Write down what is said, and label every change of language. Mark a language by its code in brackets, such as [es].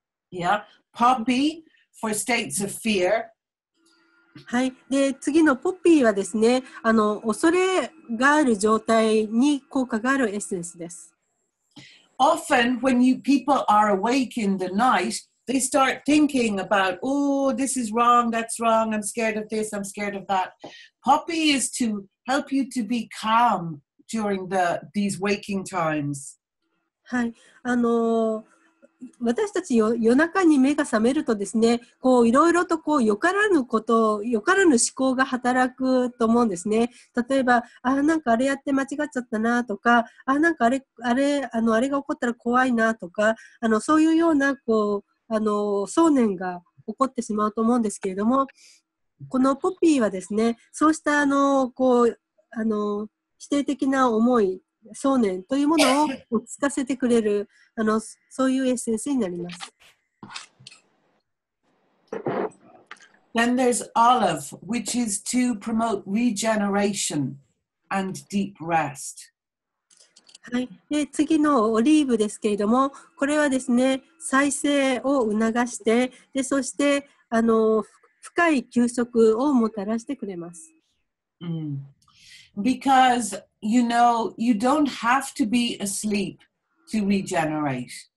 [en] Yeah, poppy for states of fear. [ja] はい、で次のポピーはですね、あの恐れがある状態に効果があるエッセンスです。 [en] Often, when you people are awake in the night, they start thinking about, oh, this is wrong, that's wrong, I'm scared of this, I'm scared of that. Poppy is to help you to be calm during these waking times. [ja] はい、あの、私たち夜中に目が覚めるとですね、こういろいろとこうよからぬこと、よからぬ思考が働くと思うんですね。例えば、あなんかあれやって間違っちゃったなとか、あなんかあれが起こったら怖いなとか、あのそういうようなこうあの想念が起こってしまうと思うんですけれども、このポピーはですね、そうしたあのこうあの否定的な思い、想念というものを落ち着かせてくれるあのそういうエッセンスになります。 [en] Then there's olive, which is to promote regeneration and deep rest. [ja] はい、で次のオリーブですけれども、これはですね、再生を促して、でそしてあの深い休息をもたらしてくれます。 [en] Because, you know, you don't have to be asleep to regenerate.